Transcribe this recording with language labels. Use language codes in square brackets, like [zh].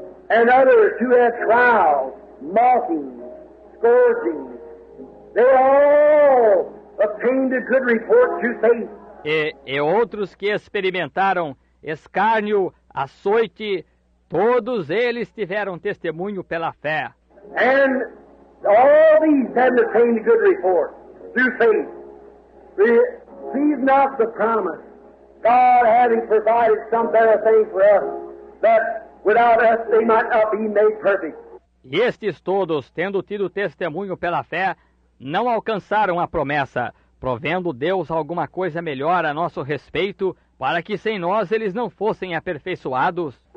[en] And others who had trials, mockings, scourgings, they all obtained a good report through faith. [pt] E outros que experimentaram escárnio, açoite, todos eles tiveram testemunho pela fé. [en] And all these had obtained a good report through faith. Receive not the promise, God having provided some better thing for us, that without us they might not be made perfect. [pt] E estes todos, tendo tido testemunho pela fé, não alcançaram a promessa, provendo Deus alguma coisa melhor a nosso respeito, para que sem nós eles não fossem aperfeiçoados.